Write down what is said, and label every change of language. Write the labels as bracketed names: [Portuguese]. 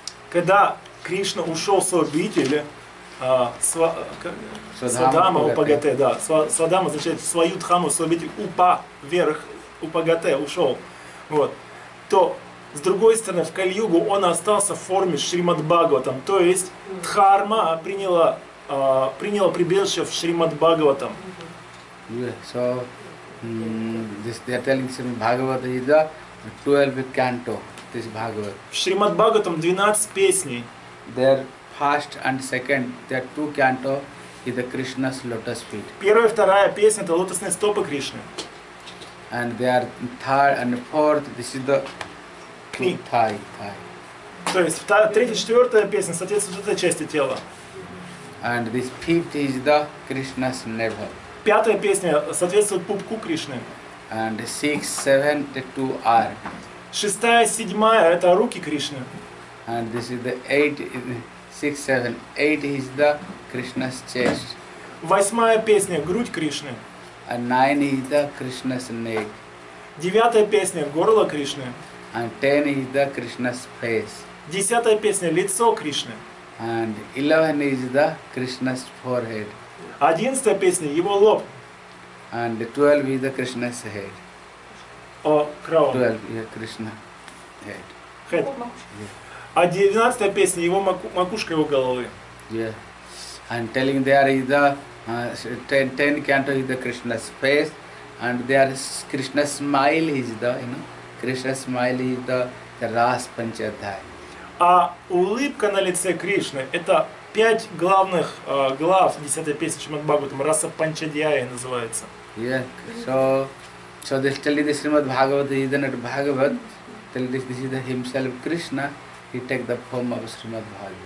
[Russian] когда Кришна ушел с обители, Свадхама Упагате, да, Свадхама означает свою дхаму, с обители упа вверх, Упагате ушел, вот, то с другой стороны, в Кали-югу он остался в форме Шримад-Бхагаватам, то есть дхарма приняла прибежище в Шримад-Бхагаватам. [English] So, they are telling Shrimad Bhagavata is the 12th canto, this Bhagavata. [Russian] В Шримад-Бхагаватам 12 песней. [English] Their first and second, their two canto is the Krishna's lotus feet. [Russian] Первая и вторая песня – это лотосные стопы Кришны. [English] And they are third and fourth, this is the thigh. [Russian] То есть третья и четвертая песня соответствует этой части тела. [English] And this fifth is the Krishna's navel. [Russian] Пятая песня соответствует пупку Кришны. [English] And six, seven, the two are. [Russian] Шестая, седьмая – это руки Кришны. [English] And this is the eight, six, seven, eight is the Krishna's chest. [Russian] Восьмая песня – грудь Кришны. [English] And nine is the Krishna's neck. [Russian] Девятая песня – горло Кришны. [English] And ten is the Krishna's face. [Russian] Десятая песня – лицо Кришны. [English] And 11 is the Krishna's forehead. [Russian] Одиннадцатая песня – его лоб. [English] And 12 is the Krishna's head. Oh, crown. 12 is the Krishna's head. Head. [Russian] А 19-я песня – его макушка, его головы. [English] Yeah. And telling there is the 10 canto is the Krishna's face. And there is Krishna's smile is the, you know, Krishna's smile is the Ras Panchadhyaya. [Russian] А улыбка на лице Кришны – это 5 главных глав 10-й песни Шримад-Бхагаватам. Раса Панчадьяя называется. [English] Yeah. So they tell you the Шримад-Бхагавата is not Bhagavad. Tell this, this is the himself Krishna. He take the form of Shrimad Bhagavatam.